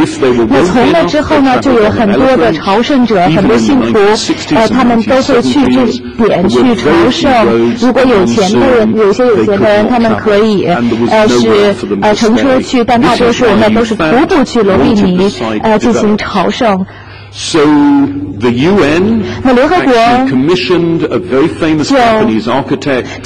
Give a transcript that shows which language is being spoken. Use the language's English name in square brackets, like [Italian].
[English] If they were well enough and eloquent enough, even in the 60s and 1970s, there were very few roads that they could not cover, and there was no road for them to stay. [Chinese] 乘车去，但大多数我们都是徒步去卢比尼，进行朝圣。 [English] So the UN actually commissioned a very famous Japanese architect,